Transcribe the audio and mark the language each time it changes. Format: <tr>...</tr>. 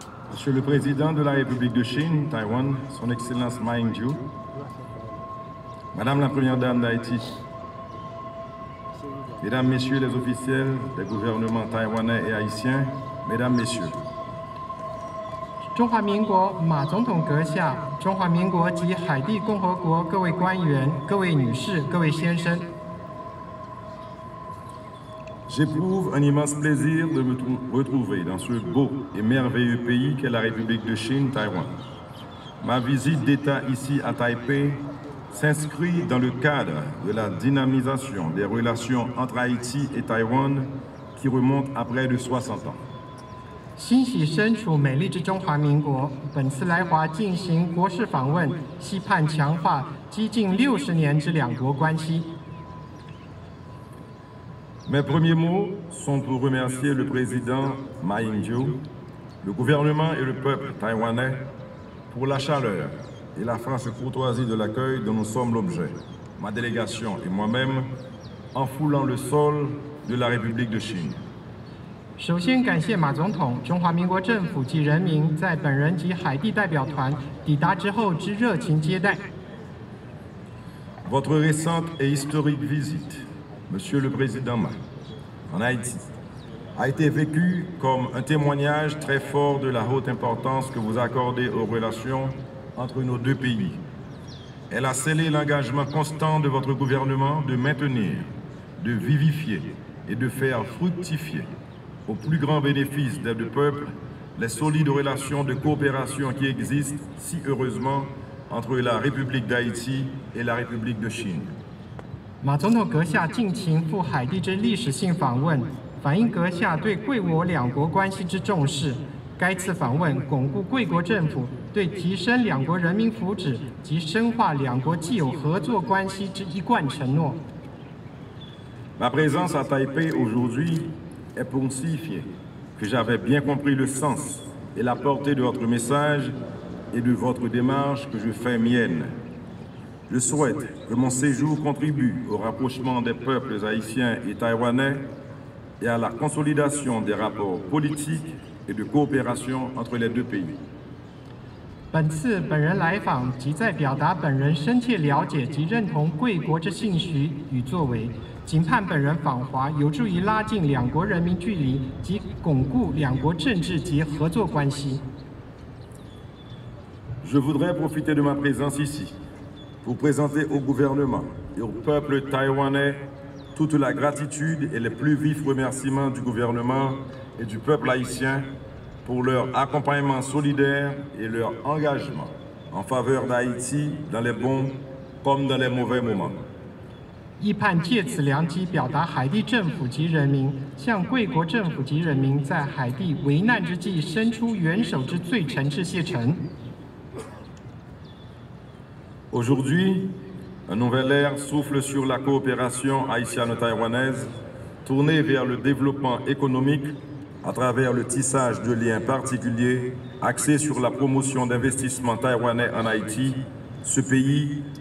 <fr>Monsieur le Président de la République de Chine, Taïwan, son Excellence Ma Ying-jeou. Madame la Première Dame d'Haïti. Mesdames, Messieurs les officiels des gouvernements taïwanais et haïtiens. Mesdames, Messieurs.</fr> <zh>中华民国马总统阁下，中华民国及海地共和国各位官员、各位女士、各位先生。</zh> <fr>J'éprouve un immense plaisir de me retrouver dans ce beau et merveilleux pays qu'est la République de Chine, Taïwan. Ma visite d'État ici à Taipei s'inscrit dans le cadre de la dynamisation des relations entre Haïti et Taïwan qui remonte à près de 60 ans.</fr> <zh>欣喜身处美丽之中华民国，本次来华进行国事访问，期盼强化接近六十年之两国关系。</zh> <fr>Mes premiers mots sont pour remercier le président Ma Ying-jeou, le gouvernement et le peuple taïwanais pour la chaleur et la franche courtoisie de l'accueil dont nous sommes l'objet. Ma délégation et moi-même en foulant le sol de la République de Chine.</fr> <zh>首先感谢马总统、中华民国政府及人民在本人及海地代表团抵达之后之热情接待。</zh> <fr>Votre récente et historique visite, Monsieur le Président Ma, en Haïti, a été vécue comme un témoignage très fort de la haute importance que vous accordez aux relations entre nos deux pays. Elle a scellé l'engagement constant de votre gouvernement de maintenir, de vivifier et de faire fructifier. Au plus grand bénéfice des deux peuples, les solides relations de coopération qui existent si heureusement entre la République d'Haïti et la République de Chine.</fr> <zh>马总统阁下近期赴海地之历史性访问，反映阁下对贵我两国关系之重视。该次访问巩固贵国政府对提升两国人民福祉及深化两国既有合作关系之一贯承诺。</zh> <fr>Ma présence à Taipei aujourd'hui. Est pour signifier que j'avais bien compris le sens et la portée de votre message et de votre démarche que je fais mienne. Je souhaite que mon séjour contribue au rapprochement des peuples haïtiens et taïwanais et à la consolidation des rapports politiques et de coopération entre les deux pays.</fr> <zh>本次本人来访即在表达本人深切了解及认同贵国之信许与作为。谨盼本人访华有助于拉近两国人民距离及巩固两国政治及合作关系。</zh> <fr>Je voudrais profiter de ma présence ici pour présenter au gouvernement et au peuple taïwanais toute la gratitude et les plus vifs remerciements du gouvernement et du peuple haïtien pour leur accompagnement solidaire et leur engagement en faveur d'Haïti dans les bons comme dans les mauvais moments.</fr> <zh>亦盼借此良机表达海地政府及人民向贵国政府及人民在海地危难之际伸出援手之最诚挚谢忱。</zh> <fr>Aujourd'hui, un nouvel air souffle sur la coopération haïtiano-taïwanaise, tournée vers le développement économique à travers le tissage de liens particuliers axés sur la promotion d'investissements taïwanais en Haïti, ce pays.</fr>